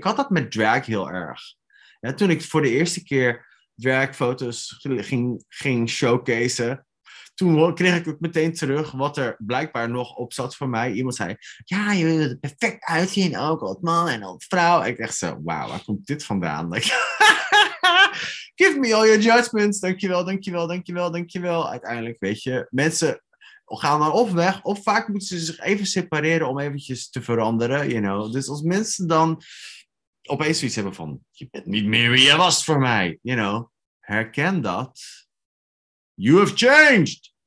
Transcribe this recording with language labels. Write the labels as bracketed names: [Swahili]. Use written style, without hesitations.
[Dutch] Ik had dat met drag heel erg. Ja, toen ik voor de eerste keer dragfoto's ging showcasen, toen kreeg ik ook meteen terug wat er blijkbaar nog op zat voor mij. Iemand zei, ja, je wil er perfect uitzien, ook als man en als vrouw. Ik dacht zo, wauw, waar komt dit vandaan? [English] Give me all your judgments. [Dutch] Dankjewel, dankjewel, dankjewel, dankjewel. Uiteindelijk, weet je, mensen gaan dan of weg, of vaak moeten ze zich even separeren om eventjes te veranderen, [English] you know. [Dutch] Dus als mensen dan opeens zoiets hebben van, je bent niet meer wie je was voor mij, [English] you know. [Dutch] Herken dat. [English] You have changed.